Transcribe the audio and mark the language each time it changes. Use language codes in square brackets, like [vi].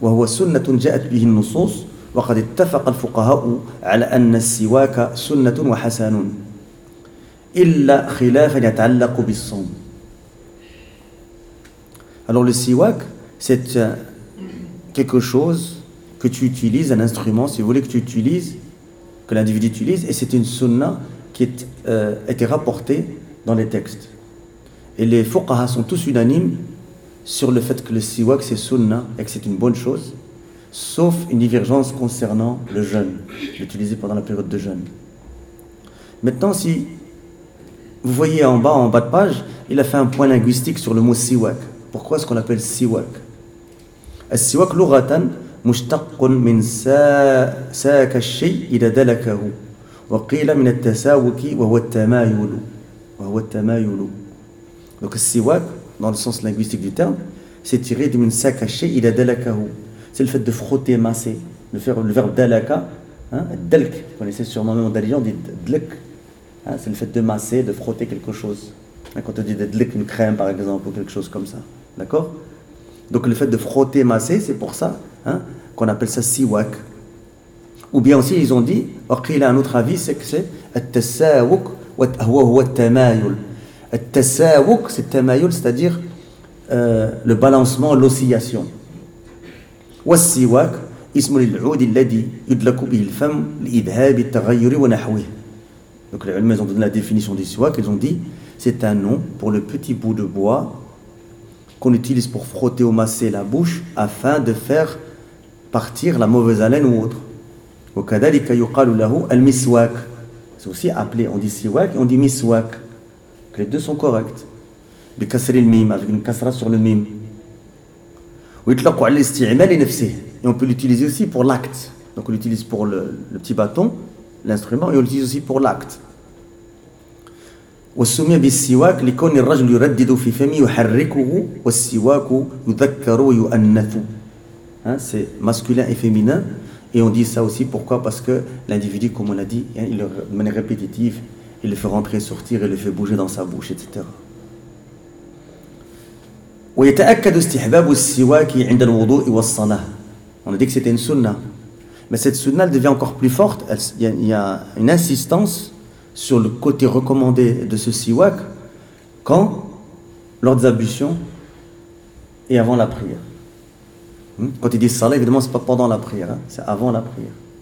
[ar] وهو سنة جاءت به النصوص وقد اتفق الفقهاء على أن السواك سنة وحسن إلا خلافا يتعلق بالصوم. [fr] Alors le siwak, c'est quelque chose que tu utilises, un instrument, si vous voulez, que tu utilises, que l'individu utilise, et c'est une sunna qui a été rapportée dans les textes. Et les fuqaha sont tous unanimes sur le fait que le siwak c'est sunna et que c'est une bonne chose, sauf une divergence concernant le jeûne, l'utiliser pendant la période de jeûne. Maintenant, si vous voyez en bas de page, il a fait un point linguistique sur le mot siwak. Pourquoi est-ce qu'on l'appelle siwak? [ar] السواك لغة مشتق من ساك الشيء إذا دلكه وقيل من التساوك وهو التمايل وهو التمايل. [fr] Donc le siwak, dans le sens linguistique du terme, c'est tiré de [ar] من ساك الشيء إذا دلكه. [fr] C'est le fait de frotter, masser. Le verbe dalaka, dalk, vous connaissez sûrement même en dalian, on dit dlk. C'est le fait de masser, de frotter quelque chose. Quand on dit dlk, une crème par exemple, ou quelque chose comme ça. D'accord? Donc le fait de frotter, masser, c'est pour ça qu'on appelle ça siwak. Ou bien aussi, ils ont dit, il a un autre avis, c'est que c'est [ar] التساوك هو التمايل. [fr] التساوك, c'est التمايل, c'est-à-dire le balancement, l'oscillation. [ar] والسيواك اسم للعود الذي يدلك به الفم لإذهاب التغير ونحوه. [fr] Donc les ulama ont donné la définition du siwak, ils ont dit, c'est un nom pour le petit bout de bois qu'on utilise pour frotter ou masser la bouche afin de faire partir la mauvaise haleine ou autre. [ar] وكذلك يقال له المسواك. [fr] C'est aussi appelé, on dit siwak et on dit miswak. Les deux sont corrects. [ar] بكسر الميم, [fr] avec une kasra sur le mim. [ar] ويطلق على الاستعمال نفسه. [fr] Et on peut l'utiliser aussi pour l'acte. Donc on l'utilise pour le petit bâton, l'instrument, et on l'utilise aussi pour l'acte. [ar] وسمي بالسواك لكون الرجل يردد في فمه يحركه والسواك يذكر ويؤنث. [fr] C'est masculin et féminin. Et on dit ça aussi pourquoi? Parce que l'individu, comme on l'a dit, il de manière répétitive, il le fait rentrer, sortir, il le fait bouger dans sa bouche, etc. [ar] ويتأكد استحباب السواك عند الوضوء والصلاة. [fr] On a dit que c'était une sunna. Mais cette sunna devient encore plus forte. Il y a une insistance sur le côté recommandé de ce siwak quand, lors des ablutions et avant la prière. Quand il dit salat, évidemment, ce n'est pas pendant la prière, c'est avant la prière.